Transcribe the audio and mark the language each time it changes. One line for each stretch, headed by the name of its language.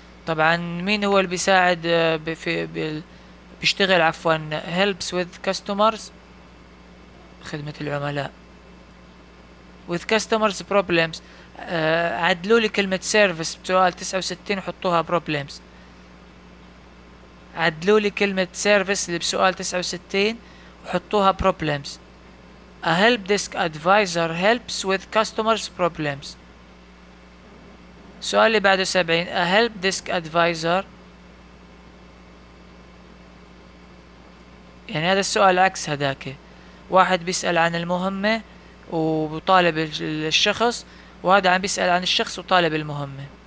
Arabic: طبعا مين هو اللي بيساعد بيشتغل عفوا
English: helps with customers،
Arabic: خدمة العملاء،
English: with customers problems.
Arabic: عدلوا لي كلمة سيرفيس بسؤال 69 وحطوها problems. عدلوا لي كلمة سيرفيس اللي بسؤال 69 وحطوها problems.
English: A help desk advisor helps with customers problems.
Arabic: سؤال اللي بعده 70
English: A help desk advisor،
Arabic: يعني هذا السؤال عكس هداك، واحد بيسأل عن المهمة وبطالب الشخص، وهذا عم بيسأل عن الشخص وطالب المهمة.